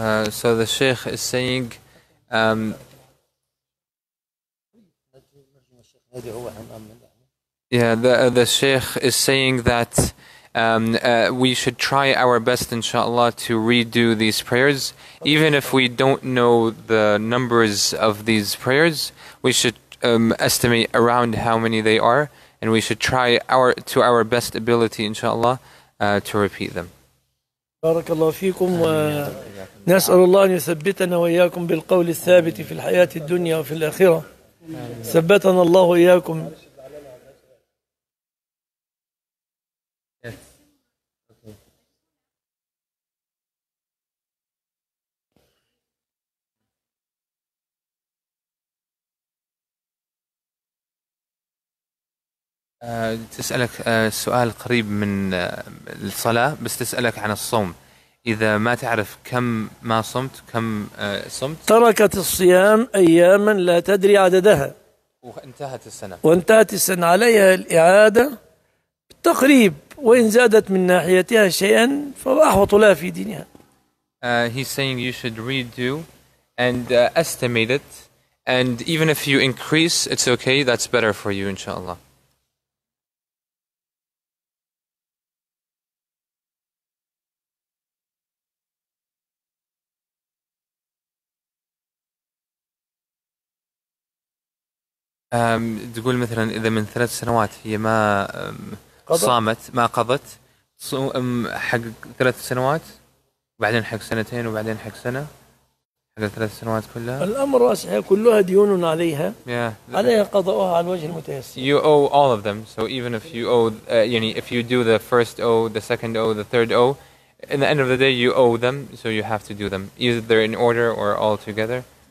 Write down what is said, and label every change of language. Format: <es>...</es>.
<en>So the Sheikh is saying, the Sheikh is saying that we should try our best, inshallah, to redo these prayers. Even if we don't know the numbers of these prayers, we should estimate around how many they are, and we should try to our best ability, inshallah, to repeat them.</en> <ar>بارك الله فيكم، نسأل الله أن يثبتنا وإياكم بالقول الثابت في الحياة الدنيا وفي الآخرة. ثبتنا الله إياكم. تسألك سؤال قريب من الصلاة، بس تسألك عن الصوم. إذا ما تعرف كم ما صمت، كم صمت، تركت الصيام أياما لا تدري عددها وانتهت السنة، عليها الإعادة بالتقريب، وإن زادت من ناحيتها شيئا فأحوط لها في دينها.</ar> <en>He's saying you should redo and estimate it, and even if you increase, it's okay, that's better for you, inshallah.</en> <ar>تقول مثلا إذا من 3 سنوات هي ما صامت، ما قضت، صوم حق 3 سنوات، بعدين حق سنتين، وبعدين حق سنة، حق 3 سنوات كلها، الأمر واسع، كلها ديون عليها.</ar> <en>Yeah.</en> <ar>عليها قضاؤها على الوجه المتيسر.</ar> <en>You owe all of them, so even if you owe يعني if you do the first O, the second O, the third O, in the end of the day you owe them, so you have to do them either in order or all together.</en>